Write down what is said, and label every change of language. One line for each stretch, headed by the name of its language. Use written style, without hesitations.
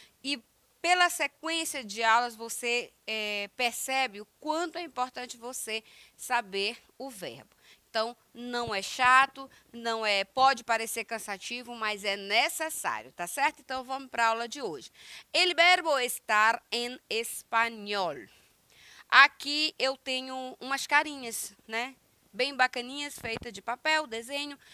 Portuguese: E pela sequência de aulas, você percebe o quanto é importante você saber o verbo. Então, não é chato, não é, pode parecer cansativo, mas é necessário, tá certo? Então, vamos para a aula de hoje.
Spanish: El verbo estar en español.
Portuguese: Aqui eu tenho umas carinhas, né? Bem bacaninhas, feitas de papel, desenho.